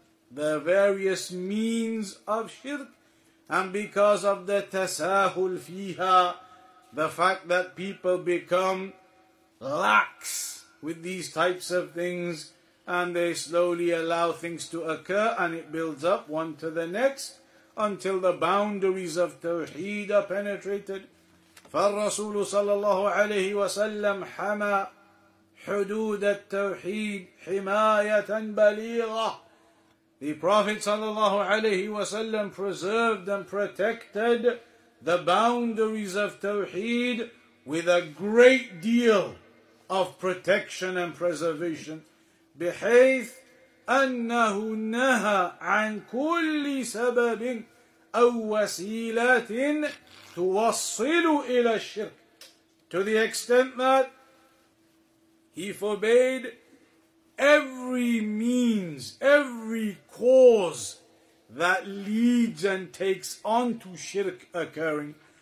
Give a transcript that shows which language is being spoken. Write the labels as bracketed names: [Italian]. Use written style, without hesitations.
[English] the various means of shirk, and because of the tasahul fiha, the fact that people become lax with these types of things, and they slowly allow things to occur, and it builds up one to the next, until the boundaries of tawheed are penetrated. [Arabic] فالرسول صلى الله عليه وسلم حمى حدود التوحيد حماية بليغة. [English] The Prophet sallallahu alayhi wa sallam preserved and protected the boundaries of Tawheed with a great deal of protection and preservation. [Arabic] بحيث أنه نهى عن كل سبب أو وسيلة توصل إلى الشرك, [English] to the extent that he forbade every means, every cause that leads and takes on to shirk occurring.